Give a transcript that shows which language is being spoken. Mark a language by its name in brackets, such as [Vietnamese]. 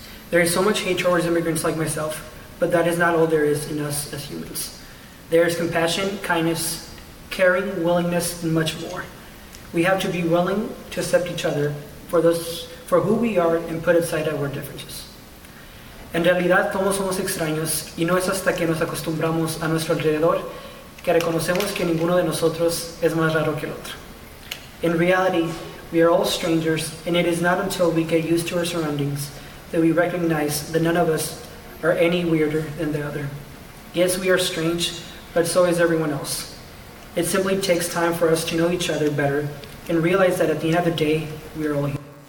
[English] There is so much hate towards immigrants like myself, but that is not all there is in us as humans. There is compassion, kindness, caring, willingness, and much more. We have to be willing to accept each other for who we are and put aside our differences. [Spanish] En realidad, todos somos extraños y no es hasta que nos acostumbramos a nuestro alrededor que reconocemos que ninguno de nosotros es más raro que el otro. [English] In reality, we are all strangers, and it is not until we get used to our surroundings that we recognize that none of us are any weirder than the other. Yes, we are strange, but so is everyone else. It simply takes time for us to know each other better and realize that at the end of the day, we are all human.